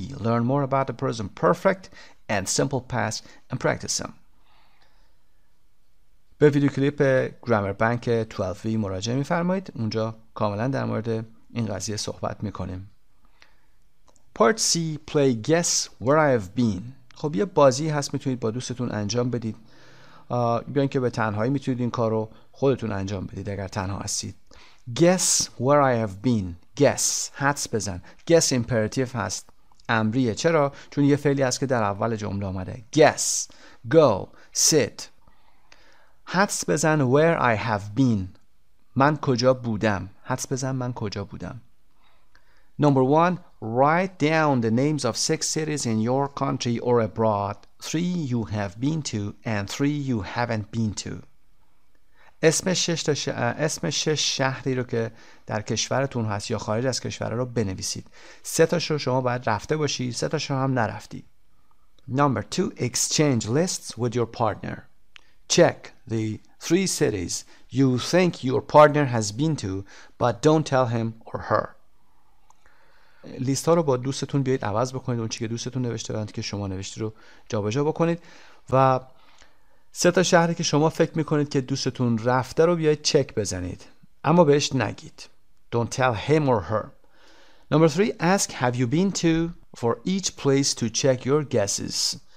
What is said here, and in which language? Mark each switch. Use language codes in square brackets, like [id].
[en] Learn more about the present perfect and simple past and practice them. [fa] به ویدیو کلیپ Grammar Bank 12B مراجعه میفرمایید. اونجا کاملا در مورد این قضیه صحبت میکنیم. [en] Part C, play guess where I have been. [fa] خب یه بازی هست میتونید با دوستتون انجام بدید، بیان که به تنهایی میتونید این کار رو خودتون انجام بدید اگر تنها هستید. [en] Guess where I have been. Guess، [fa] حدس بزن. Guess imperative هست، امریه. چرا؟ چون یه فعلی هست که در اول جمله آمده. [en] Guess، go، sit. [fa] حدس بزن [en] where I have been، [fa] من کجا بودم. حدس بزن من کجا بودم. [en] Number one، write down the names of six cities in your country or abroad. Three you have been to and three you haven't been to. [fa] اسم شش شهری رو که در کشورتون هست یا خارج از کشور رو بنویسید. سه تاش رو شما باید رفته باشی، سه تاش رو هم نرفتی. [en] Number two، exchange lists with your partner. Check the three cities you think your partner has been to, but don't tell him or her. [fa] لیست ها رو با دوستتون بیایید عوض بکنید، اون چی که دوستتون نوشته و اون که شما نوشته رو جابجا بکنید و سه تا شهری که شما فکر میکنید که دوستتون رفته رو بیایید چک بزنید، اما بهش نگید. [en] Don't tell him or her. Number three، ask have you been to for each place to check your guesses.